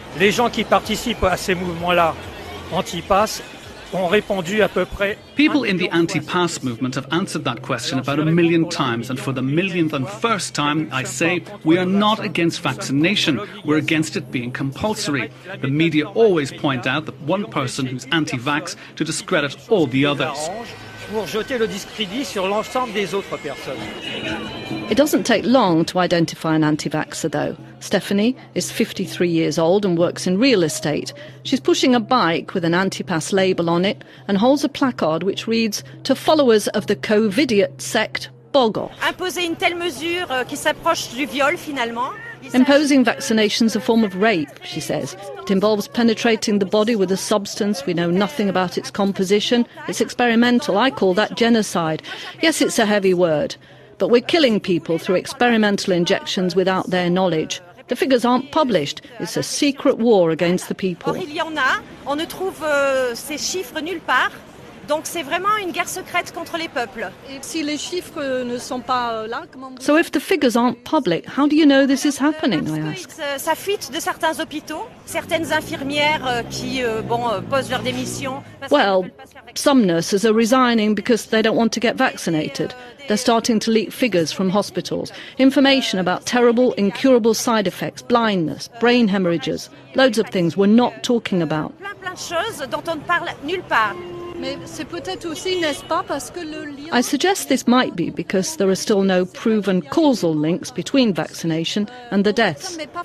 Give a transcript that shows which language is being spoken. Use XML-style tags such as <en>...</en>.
<fr>Les gens qui participent à ces mouvements-là, anti-pass, ont répondu à peu près.</fr> <en>People in the anti-pass movement have answered that question about a million times, and for the millionth and first time, I say we are not against vaccination. We're against it being compulsory. The media always point out the one person who's anti-vax to discredit all the others.</en> <fr>Pour jeter le discrédit sur l'ensemble des autres personnes.</fr> <en>It doesn't take long to identify an anti-vaxxer, though. Stephanie is 53 years old and works in real estate. She's pushing a bike with an anti-pass label on it and holds a placard which reads, "To followers of the COVIDiot sect, bog off."</en> <fr>Imposer une telle mesure qui s'approche du viol, finalement.</fr> <en>Imposing vaccination is a form of rape, she says. It involves penetrating the body with a substance. We know nothing about its composition. It's experimental. I call that genocide. Yes, it's a heavy word, but we're killing people through experimental injections without their knowledge. The figures aren't published. It's a secret war against the people.</en> <fr>Or il y en a. On ne trouve ces chiffres nulle part. Donc c'est vraiment une guerre secrète contre les peuples. Et si les chiffres ne sont pas là, comment...</fr> <en>So if the figures aren't public, how do you know this is happening, I ask?</en> <fr>Ça fuite de certains hôpitaux, certaines infirmières qui posent leur démission.</fr> <en>Well, some nurses are resigning because they don't want to get vaccinated. They're starting to leak figures from hospitals, information about terrible, incurable side effects, blindness, brain hemorrhages, loads of things we're not talking about.</en> <fr>Plein de choses dont on ne parle nulle part.</fr> <en>I suggest this might be because there are still no proven causal links between vaccination and the deaths.</en>